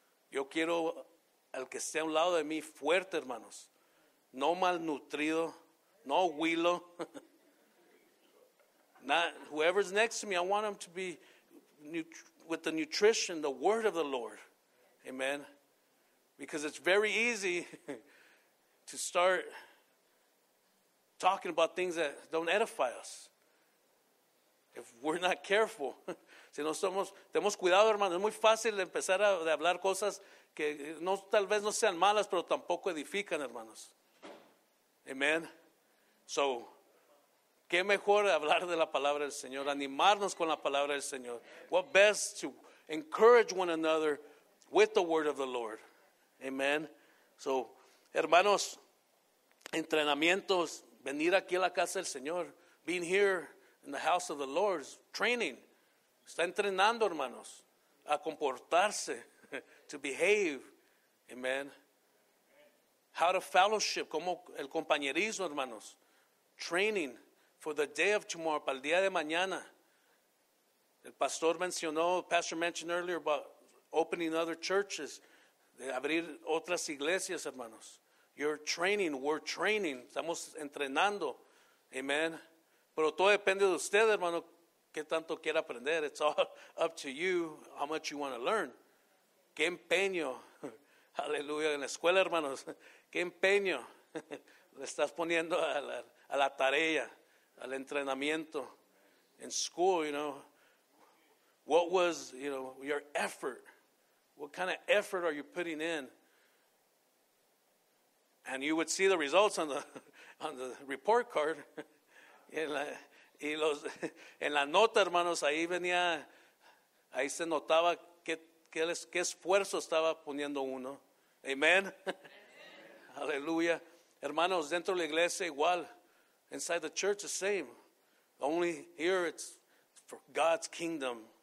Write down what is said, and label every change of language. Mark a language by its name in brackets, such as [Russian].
[Spanish] Yo quiero al que esté a un lado de mí fuerte, hermanos. No malnutrido, no huilo. [English] Not whoever's next to me, I want them to be with the nutrition, the word of the Lord. Amen. Because it's very easy to start talking about things that don't edify us. If we're not careful. [Spanish] Si no somos, tenemos cuidado, hermano. Es muy fácil empezar a hablar cosas que no, tal vez no sean malas, pero tampoco edifican, hermanos. Amen. So, qué mejor hablar de la palabra del Señor, animarnos con la palabra del Señor. [English] What best to encourage one another with the word of the Lord. Amen. [Spanish] So, hermanos, entrenamientos, venir aquí a la casa del Señor. [English] Being here in the house of the Lord is training. [Spanish] Está entrenando, hermanos, a comportarse, [English] to behave. [Spanish] Amen. [English] How to fellowship, [Spanish] como el compañerismo, hermanos. [English] Training for the day of tomorrow, [Spanish] para el día de mañana. El pastor mencionó, [English] pastor mentioned earlier about opening other churches, [Spanish] de abrir otras iglesias, hermanos. [English] You're training, we're training, [Spanish] estamos entrenando. [English] Amen. [Spanish] Pero todo depende de usted, hermano, qué tanto quiera aprender. [English] It's all up to you, how much you want to learn. [Spanish] Qué empeño. Aleluya, en la escuela, hermanos. Qué empeño le estás poniendo a la tarea, al entrenamiento. [English] In school, you know, what was, you know, your effort? What kind of effort are you putting in? And you would see the results on the report card. [Spanish] En la nota, hermanos, ahí venía, ahí se notaba qué esfuerzo estaba poniendo uno. Amen. Aleluya. Hermanos, dentro de la iglesia igual. [English] Inside the church, the same. Only here it's for God's kingdom.